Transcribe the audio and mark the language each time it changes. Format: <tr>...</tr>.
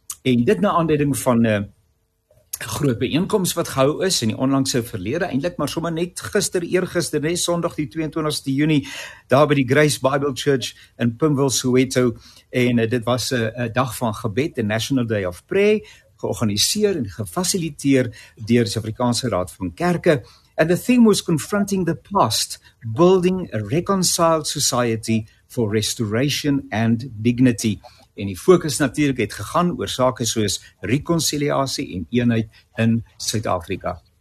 <af>En dit na aanleiding van 'n groot bijeenkoms wat gehou is in die onlangse verlede, eintlik maar sommer net gister, eergister, nee, Sondag die 22ste Junie, daar by die Grace Bible Church in Pimville, Soweto, en dit was 'n dag van gebed,</af> <en>the National Day of Prayer,</en> <af>georganiseer en gefasiliteer deur die Suid-Afrikaanse Raad van Kerke.</af> <en>And the theme was confronting the past, building a reconciled society for restoration and dignity.</en> <af>En die fokus natuurlik het gegaan oor sake soos reconciliasie en eenheid in Suid-Afrika.</af>